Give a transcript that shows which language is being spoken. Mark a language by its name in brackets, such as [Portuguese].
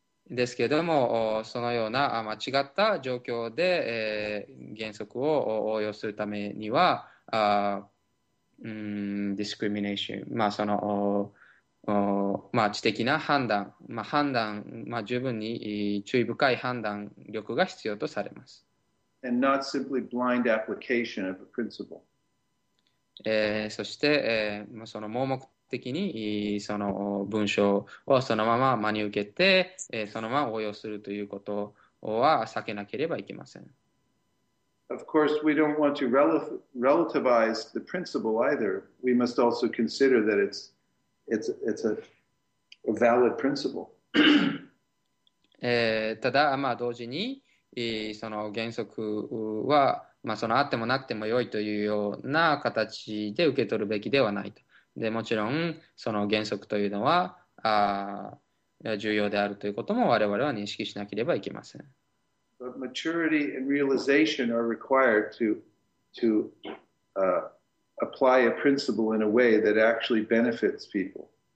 [Japanese] ですけれども、そのような間違った状況で、原則を応用するためには、ディスクリミネーション、まあ、その、まあ、知的な判断、まあ、判断、まあ、十分に注意深い判断力が必要とされます。 [English] And not simply blind application of a principle. [Japanese] そして、その盲目的にその文章をそのまま真に受けて、そのまま応用するということは避けなければいけません。 [English] Of course, we don't want to relativize the principle either. We must also consider that it's a valid principle. [Japanese] ただ、まあ、同時に、その原則は、まあ、そのあってもなくても良いというような形で受け取るべきではないと。で、もちろん、その原則というのは、重要であるということも我々は認識しなければいけません。 [English] But maturity and realization are required to apply a principle in a way that actually benefits people.